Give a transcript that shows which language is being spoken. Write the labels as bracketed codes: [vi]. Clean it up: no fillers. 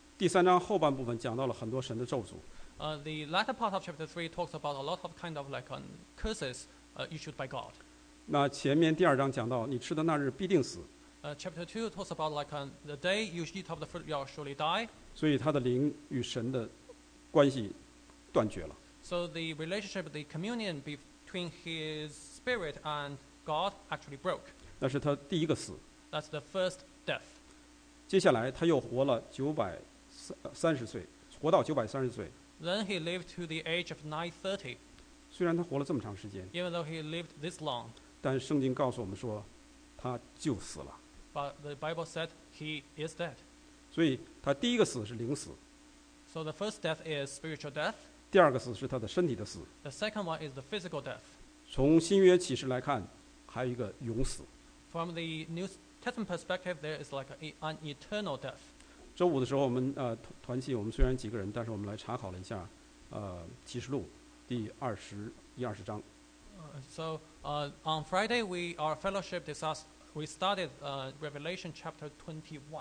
[zh] 第三章后半部分讲到了很多神的咒诅。 [en] The latter part of chapter 3 talks about a lot of kind of curses issued by God. [zh] 那前面第二章讲到你吃的那日必定死。 [en] Chapter 2 talks about the day you eat of the fruit you'll surely die. [zh] 所以他的灵与神的关系断绝了。 [en] So the relationship, the communion between his spirit and God actually broke. [zh] 那是他第一个死。 [en] That's the first death. [zh] 接下来他又活了九百30岁，活到930岁。 [en] Then he lived to the age of 930. [zh] 虽然他活了这么长时间。 [en] Even though he lived this long. [zh] 但圣经告诉我们说，他就死了。 [en] But the Bible said he is dead. [zh] 所以他第一个死是灵死。 [en] So the first death is spiritual death. [zh] 第二个死是他的身体的死。 [en] The second one is the physical death. [zh] 从新约启示来看，还有一个永死。 [en] From the New Testament perspective, there is like an eternal death. [zh] 周五的时候，我们团契，我们虽然几个人，但是我们来查考了一下，启示录第20-21章。 [en] On Friday we our fellowship discussed we studied Revelation chapter 21.